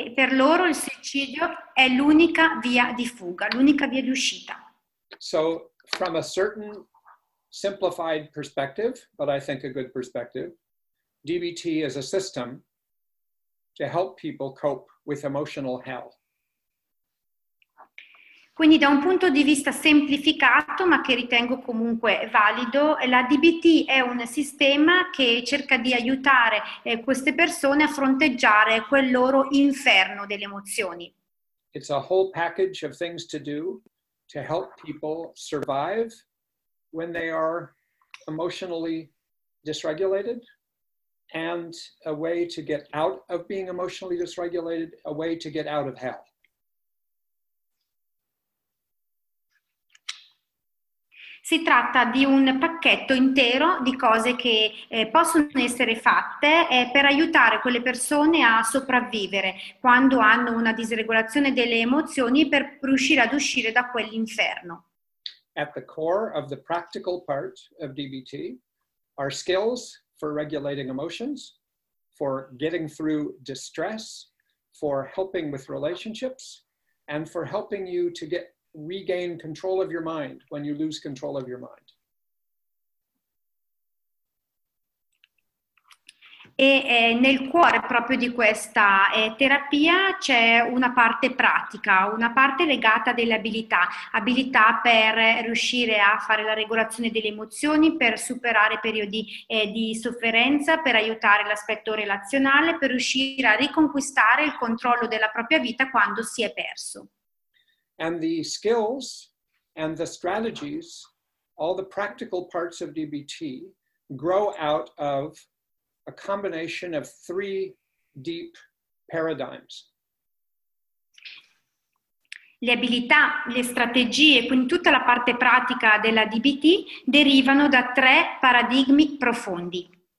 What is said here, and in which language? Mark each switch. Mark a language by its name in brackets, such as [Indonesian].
[Italian] E per loro il suicidio è l'unica via di fuga, l'unica via di uscita. [English] So, from a certain simplified perspective, but I think a good perspective, DBT is a system to help people cope with emotional hell. [Italian] Quindi da un punto di vista semplificato, ma che ritengo comunque valido, la DBT è un sistema che cerca di aiutare queste persone a fronteggiare quel loro inferno delle emozioni. [English] It's a whole package of things to do to help people survive when they are emotionally dysregulated, and a way to get out of being emotionally dysregulated, a way to get out of hell. [Italian] Si tratta di un pacchetto intero di cose che possono essere fatte per aiutare quelle persone a sopravvivere quando hanno una disregolazione delle emozioni per riuscire ad uscire da quell'inferno. [English] At the core of the practical part of DBT are skills for regulating emotions, for getting through distress, for helping with relationships, and for helping you to get regain control of your mind when you lose control of your mind. [Italian] E nel cuore proprio di questa terapia c'è una parte pratica, una parte legata alle abilità, abilità per riuscire a fare la regolazione delle emozioni, per superare periodi di sofferenza, per aiutare l'aspetto relazionale, per riuscire a riconquistare il controllo della propria vita quando si è perso. [English] And the skills and the strategies, all the practical parts of DBT, grow out of a combination of three deep paradigms. [Italian] Le abilità, le strategie, quindi tutta la parte pratica della DBT derivano da tre paradigmi profondi.